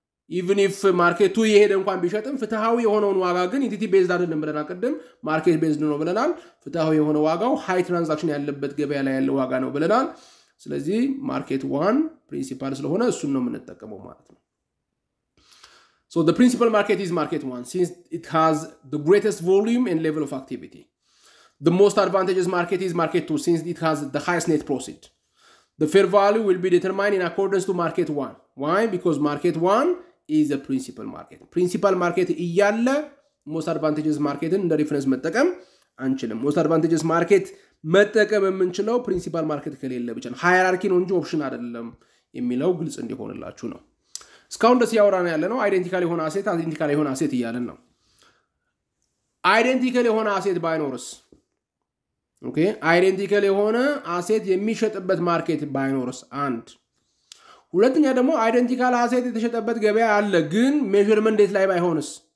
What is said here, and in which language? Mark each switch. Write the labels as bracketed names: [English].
[Amharic] ኢቭን ኢፍ ማርኬት 2 ይሄድ እንኳን ቢሸጥም ፍትሃዊ የሆነውን ዋጋ ግን ኢንቲቲ ቤዝድ አይደለም ብለና ቀደም ማርኬት ቤዝድ ነው ብለናል ፍትሃዊ የሆነው ዋጋው ሃይ ትራንዛክሽን ያለበት ገበያ ላይ ያለው ዋጋ ነው ብለናል ስለዚህ ማርኬት 1 ፕሪንሲፓል ስለሆነ እሱን ነው የምንጠቀመው ማለት ነው [English] So the principal market is market 1 since it has the greatest volume and level of activity. The most advantageous market is market 2 since it has the highest net profit. The fair value will be determined in accordance to market 1. Why? Because market 1 is a principal market. Principal market [Amharic] ያለ most advantageous market እንደ reference መጠቀም አንችልም. Most advantageous market መጠቀም የምንችለው principal market ከሌለ ብቻ ነው. Hierarchy ነው እንጂ option አይደለም የሚለው ግልጽ እንዲሆንላችሁ ነው. ስካውንድ ሲያወራ ነው ያለነው አይደንቲካል የሆነ አሴት አይደንቲካል የሆነ አሴት ይያለን ነው አይደንቲካል የሆነ አሴት ባይኖርስ ኦኬ አይደንቲካል የሆነ አሴት የሚሸጥበት ማርኬት ባይኖርስ አንድ ሁለተኛ ደግሞ አይደንቲካል አሴት የተሸጠበት ገበያ አለ ግን ሜዥርመንት ዴት ላይ ባይሆንስ